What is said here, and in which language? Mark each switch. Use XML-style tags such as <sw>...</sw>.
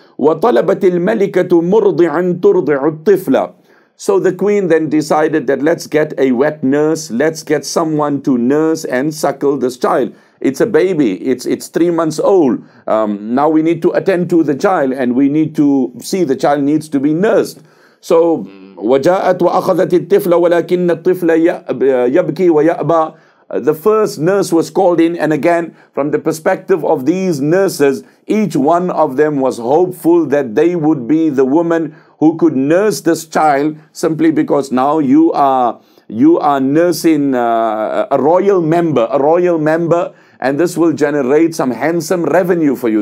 <ar>وَطَلَبَتِ الْمَلِكَةُ مُرْضِعًا تُرْضِعُ الطِّفْلَ.</ar> <en>So the queen then decided that let's get a wet nurse, let's get someone to nurse and suckle this child. It's a baby, it's 3 months old. Now we need to attend to the child and we need to see the child needs to be nursed.</en> <ar>So وجاءت وأخذت الطفل ولكن الطفل يبكي ويأبى.</ar> <en>The first nurse was called in, and again, from the perspective of these nurses, each one of them was hopeful that they would be the woman who could nurse this child, simply because now you are nursing a royal member, and this will generate some handsome revenue for you.</en>